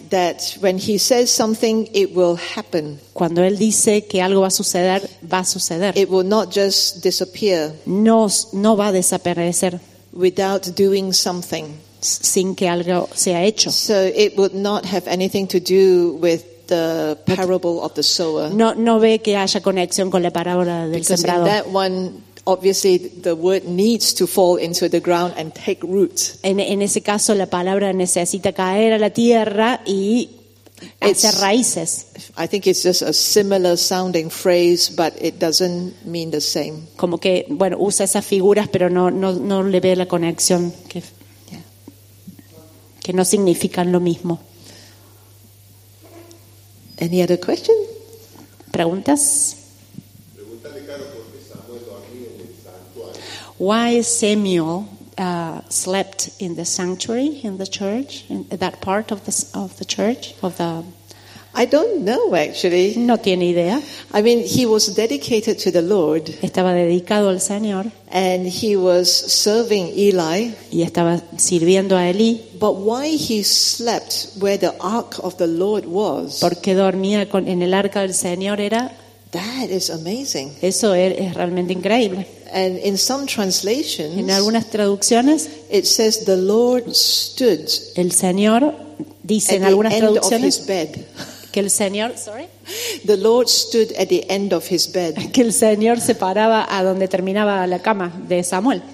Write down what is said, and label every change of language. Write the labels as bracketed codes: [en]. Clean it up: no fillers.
[en] That when he says something, it will happen. [es] Cuando él dice que algo va a suceder, va a suceder. [en] It will not just disappear. [es] No va a desaparecer. [en] Without doing something, [es] sin que algo sea hecho. [en] So it would not have anything to do with the parable of the sower. [es] No ve que haya conexión con la parábola del sembrador. [en] Because in that one, obviously, the word needs to fall into the ground and take root. [es] En ese caso, la palabra necesita caer a la tierra y hacer raíces. [en] I think it's just a similar sounding phrase, but it doesn't mean the same. [es] Como que, bueno, usa esas figuras, pero no le ve la conexión que no significan lo mismo. [en] Any other question? [es] ¿Preguntas? [en] Why Samuel slept in the sanctuary in the church, in that part of the church of the? I don't know actually. [es] No tiene idea. [en] I mean, he was dedicated to the Lord. [es] Estaba dedicado al Señor. [en] And he was serving Eli. [es] Y estaba sirviendo a Eli. [en] But why he slept where the ark of the Lord was? [es] Porque dormía en el arca del Señor era. [en] That is amazing. [es] Eso es realmente increíble. [en] And in some translations, [es] en algunas traducciones, [en] it says the Lord stood. [es] El Señor dice en algunas traducciones que el Señor, [en] the Lord stood at the end of his bed. [es] Que el Señor se paraba a donde terminaba la cama de Samuel.